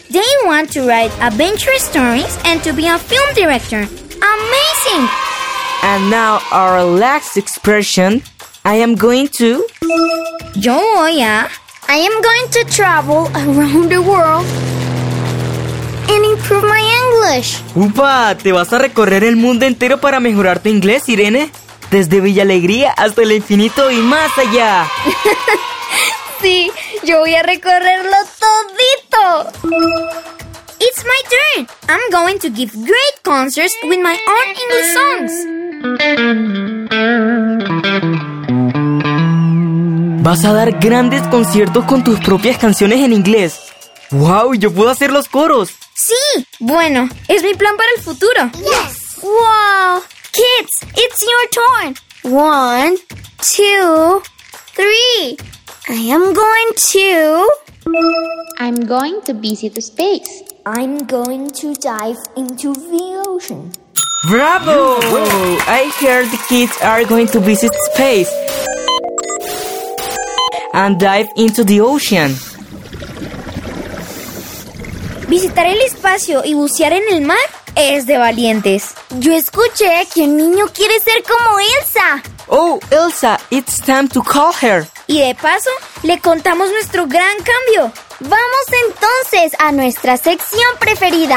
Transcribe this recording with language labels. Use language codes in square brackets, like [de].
[en] They want to write adventure stories and to be a film director. Amazing! And now our last expression... I am going to... [es] Yo voy a... [en] I am going to travel around the world and improve my English. ¡Upa! [es] ¿Te vas a recorrer el mundo entero para mejorar tu inglés, Irene? Desde Villa Alegría hasta el infinito y más allá. Sí, yo voy a recorrerlo todito. [en] It's my turn. I'm going to give great concerts with my own English songs. [es] Vas a dar grandes conciertos con tus propias canciones en inglés. ¡Wow! ¡Yo puedo hacer los coros! ¡Sí! Bueno, es mi plan para el futuro. [en] ¡Yes! ¡Wow! Kids, it's your turn. One, two, three. I am going to... I'm going to visit space. I'm going to dive into the ocean. Bravo! I heard the kids are going to visit space and dive into the ocean. [es] Visitar el espacio y bucear en el mar es de valientes. Yo escuché que un niño quiere ser como Elsa. Oh, Elsa, it's time to call her. Y de paso, le contamos nuestro gran cambio. Vamos entonces a nuestra sección preferida.